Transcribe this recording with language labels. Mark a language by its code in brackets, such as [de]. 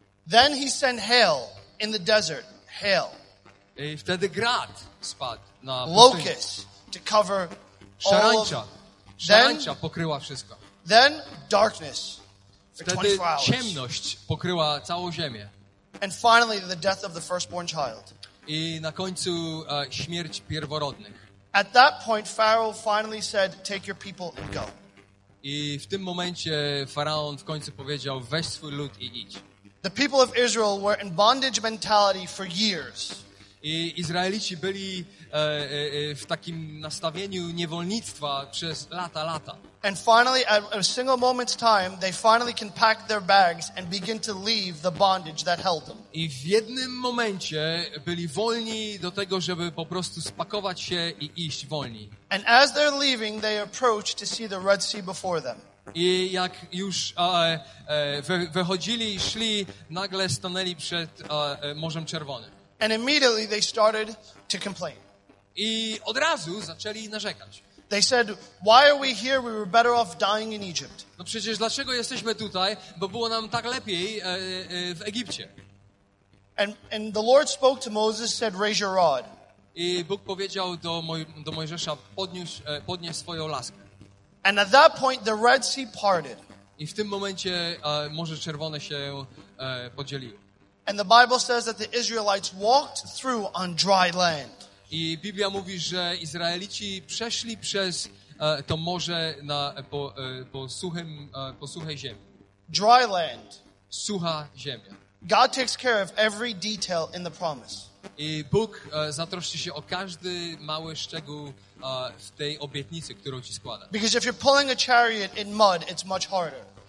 [en] Then he sent hail in the desert, hail. [pl] I wtedy grad spadł na pustyni. [en] Locust to cover [pl] szarańcza. Szarańcza pokryła wszystko. [en] Then darkness for [pl] wtedy [en] 24 hours. [pl] Ciemność pokryła całą ziemię. [en] And finally the death of the firstborn child. [pl] I na końcu śmierć pierworodnych. [en] At that point Pharaoh finally said, take your people and go. [pl] I w tym momencie faraon w końcu powiedział, weź swój lud i idź. [en] The people of Israel were in bondage mentality for years. [pl] I Izraelici byli w takim nastawieniu niewolnictwa przez lata. [en] And finally, at a single moment's time, they finally can pack their bags and begin to leave the bondage that held them. [pl] I w jednym momencie byli wolni do tego, żeby po prostu spakować się i iść wolni. [en] And as they're leaving, they approach to see the Red Sea before them. [pl] I jak już wychodzili i szli, nagle stanęli przed Morzem Czerwonym. [en] And immediately they started to complain. [pl] I od razu zaczęli narzekać. [en] They said, why are we here? We were better off dying in Egypt. [pl] No przecież dlaczego jesteśmy tutaj? Bo było nam tak lepiej w Egipcie. [en] And the Lord spoke to Moses, said, raise your rod. [pl] I Bóg powiedział do Mojżesza, podnieś swoją laskę. [en] And at that point the Red Sea parted. [pl] I w tym momencie Morze Czerwone się podzieliło. [en] And the Bible says that the Israelites walked through on dry land. [pl] I Biblia mówi, że Izraelici przeszli przez to morze na po suchej ziemi. [en] Dry land. [pl] Sucha ziemia. [en] God takes care of every detail in the promise. [pl] I Bóg zatroszczy się o każdy mały szczegół w tej obietnicy, którą ci składa. [en] Because if you're pulling a chariot in mud, it's much harder.